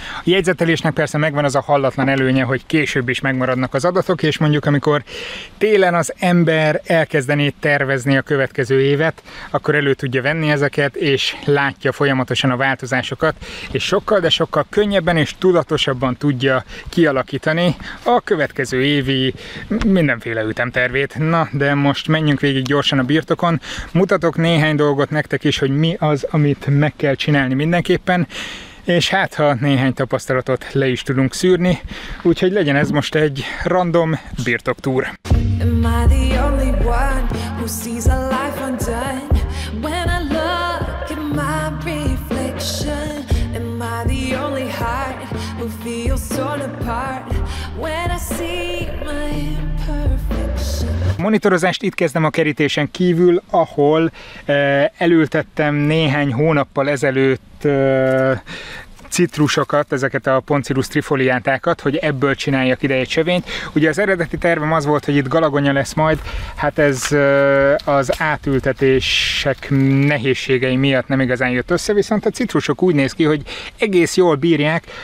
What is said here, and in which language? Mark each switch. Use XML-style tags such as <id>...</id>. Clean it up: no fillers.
<hu>A jegyzetelésnek persze megvan az a hallatlan előnye, hogy később is megmaradnak az adatok, és mondjuk amikor télen az ember elkezdené tervezni a következő évet, akkor elő tudja venni ezeket, és látja folyamatosan a változásokat, és sokkal, de sokkal könnyebben és tudatosabban tudja kialakítani a következő évi mindenféle ütemtervét. Na, de most menjünk végig gyorsan a birtokon. Mutatok néhány dolgot nektek is, hogy mi az, amit meg kell csinálni mindenképpen, és hát, ha néhány tapasztalatot le is tudunk szűrni, úgyhogy legyen ez most egy random birtoktúr.</hu> <en>Am I the only one who sees a life undone? When I look at my reflection, am I the only heart who feels torn apart? When I see my imperfection.</en> <hu>Monitorozást itt kezdem a kerítésen kívül, ahol elültettem néhány hónappal ezelőtt citrusokat, ezeket a Poncirus trifoliátákat, hogy ebből csináljak ide egy sövényt. Ugye az eredeti tervem az volt, hogy itt galagonya lesz majd, hát ez az átültetések nehézségei miatt nem igazán jött össze, viszont a citrusok úgy néz ki, hogy egész jól bírják.</hu>